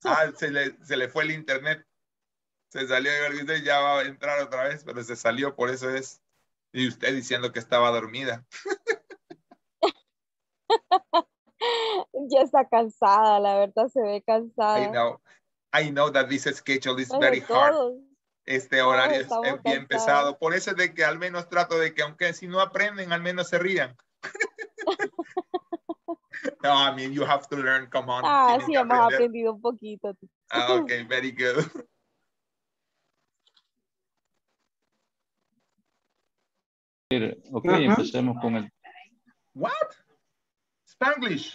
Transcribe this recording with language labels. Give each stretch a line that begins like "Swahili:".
Spanish: ah, se le fue el internet. Se salió y ya va a entrar otra vez, pero se salió, por eso es. Y usted diciendo que estaba dormida. Ya está cansada, la verdad se ve cansada.
English: I know that this schedule is very hard.
Spanish: Este horario es bien cansados. Pesado. Por eso es de que al menos trato de que, aunque si no aprenden, al menos se rían.
English: No, I mean, you have to learn, come on.
Spanish: Ah, sí, hemos aprendido un poquito.
English: Ah, ok, very good.
Spanish: Ok, uh-huh. Empecemos con el.
English: What? Spanglish.